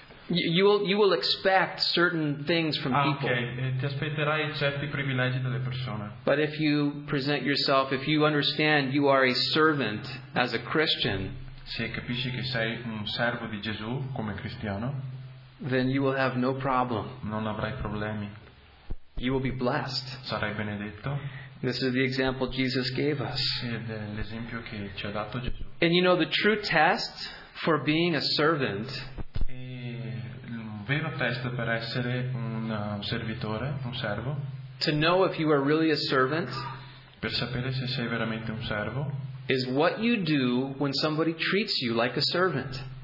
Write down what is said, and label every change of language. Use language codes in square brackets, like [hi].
[en] You will expect certain things from people. Ah, okay. [it] Ti aspetterai certi privilegi dalle persone. [en] But if you present yourself, if you understand you are a servant as a Christian, [it] se capisci che sei un servo di Gesù come cristiano, [en] then you will have no problem. [it] Non avrai problemi. [en] You will be blessed. [it] Sarai benedetto. [en] This is the example Jesus gave us. [it] Ed è l'esempio che ci ha dato Gesù. [en] And you know, the true test for being a servant, [it] il vero test per essere un servitore, un servo, [en] to know if you are really a servant, [it] per sapere se sei veramente un servo, [en] is what you do when somebody treats you like a servant.